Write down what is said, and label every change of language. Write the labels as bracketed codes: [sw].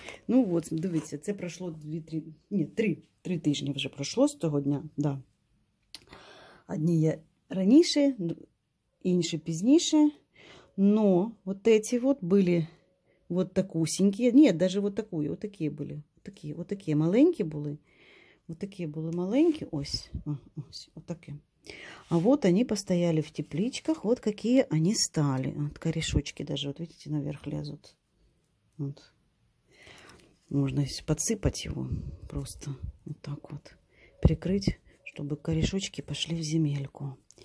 [uk] Ну вот, дивіться, це пройшло 3 тижні вже пройшло з того дня, да. Одні є раніше, інші пізніше. [ru] Но вот эти вот были вот такусенькі. Нет, даже вот такую, вот такие были. Вот такие [uk] маленькі були. [ru] Вот такие [uk] були маленькі, ось вот такі. [ru] А вот они постояли в тепличках, вот какие они стали. Вот корешочки даже, вот видите, наверх лезут. Вот. Можно подсыпать его просто вот так вот, прикрыть, чтобы корешочки пошли в земельку.